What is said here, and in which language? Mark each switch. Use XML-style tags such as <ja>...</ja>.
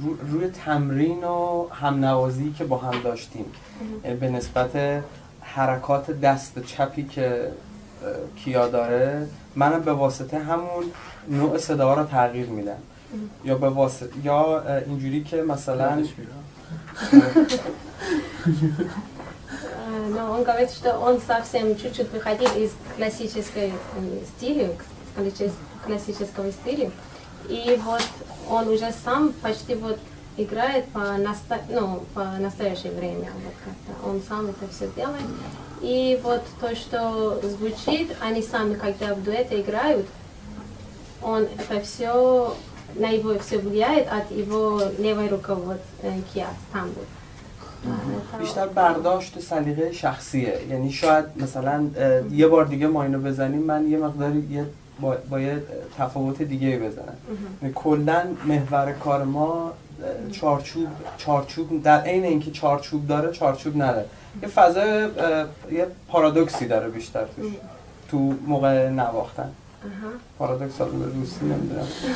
<fa>روی تمرین و همنوازی که با هم داشتیم به نسبت حرکات دست چپی که کیا داره منم به واسطه همون نوع صدا را تغییر میدم یا به واسطه یا اینجوری که مثلا نه اون</fa> <ru>говорит что он совсем чуть-чуть выходил из классической стиля классического стиля и вот он уже сам почти вот играет по настоящее время вот как-то он сам это все делает и вот то что звучит они сами когда в дуэте играют он это все на его все влияет от его левой руки вот кия там вот</ru> <fa>بیشتر برداشت سلیقه شخصیه یعنی شاید مثلا یه بار دیگه ما اینو بزنیم من یه مقداری با یه تفاوت دیگه بزنم کلن محور کار ما چارچوب در این اینکه چارچوب داره چارچوب نداره یه فضای یه پارادوکسی داره بیشتر توش تو موقع نواختن پارادوکس ها به روسی نمیدونم</fa>